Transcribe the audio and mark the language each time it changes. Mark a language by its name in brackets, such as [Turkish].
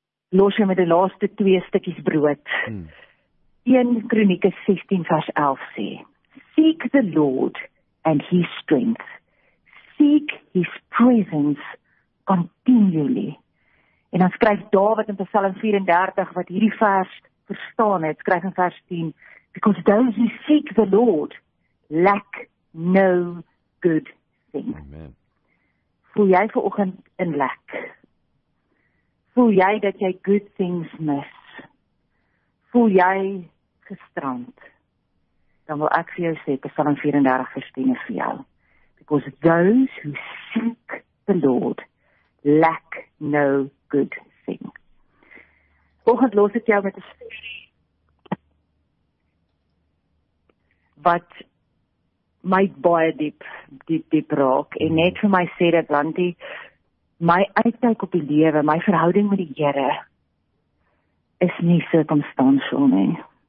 [Afrikaans] Los jy met die laaste twee stukkies brood. 1 Kronieke 16 vers 11 sê, [English] "Seek the Lord and his strength. Seek his presence continually." [Afrikaans] En dan skryf Dawid in Psalm 34, wat hierdie vers verstaan het, skryf in vers 10, [English] "Because those who seek the Lord lack no good thing." [Afrikaans] Amen. Voel jy vanoggend in lack? Voel jy dat jy [English] good things [Afrikaans] mis? Voel jy gestrand? Dan wil ek vir jou sê, Psalm 34 vers 10 vir jou. [English] "Because those who seek the Lord lack no good thing." [Afrikaans] Volgend los ek jou met 'n storie wat my baie diep raak en net vir my sê dat landie, my uitkyk op die lewe, my verhouding met die Here is nie circumstantial nie.